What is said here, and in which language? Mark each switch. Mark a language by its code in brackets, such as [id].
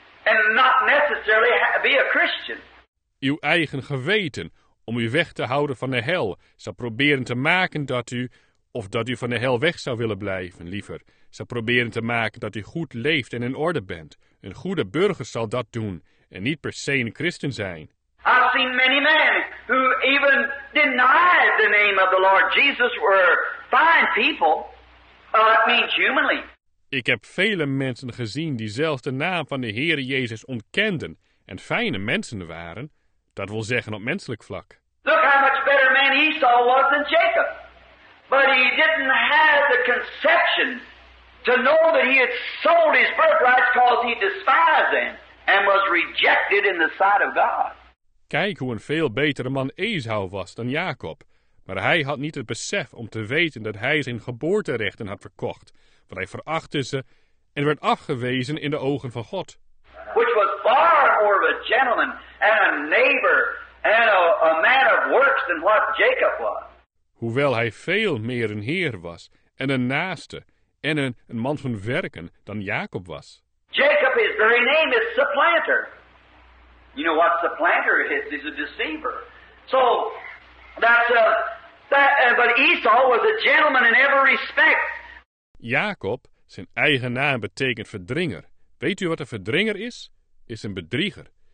[en] And not necessarily be a Christian. [nl] Uw eigen geweten, om u weg te houden van de hel, zou proberen te maken dat u, of dat u van de hel weg zou willen blijven, liever, zou proberen te maken dat u goed leeft en in orde bent. Een goede burger zal dat doen, en niet per se een christen zijn. [en] I've seen many men who even denied the name of the Lord Jesus were fine people, it means humanly. [nl] Ik heb vele mensen gezien die zelfs de naam van de Heere Jezus ontkenden en fijne mensen waren, dat wil zeggen op menselijk vlak. [en] Look how much better man Esau was than Jacob. But he didn't have the conception to know that he had sold his birthright because he despised them and was rejected in the sight of God. [nl] Kijk hoe een veel betere man Esau was dan Jacob. Maar hij had niet het besef om te weten dat hij zijn geboorterechten had verkocht. Want hij verachtte ze en werd afgewezen in de ogen van God. [en] Which was far more of a gentleman and a neighbor and a man of works than what Jacob was. [nl] Hoewel hij veel meer een heer was en een naaste en een man van werken dan Jacob was. [en] Jacob, his very name is supplanter. You know what supplanter is? He's a deceiver. So, but Esau was a gentleman in every respect. [nl] Jacob, zijn eigen naam betekent verdringer. Weet u wat een verdringer is? Is een bedrieger.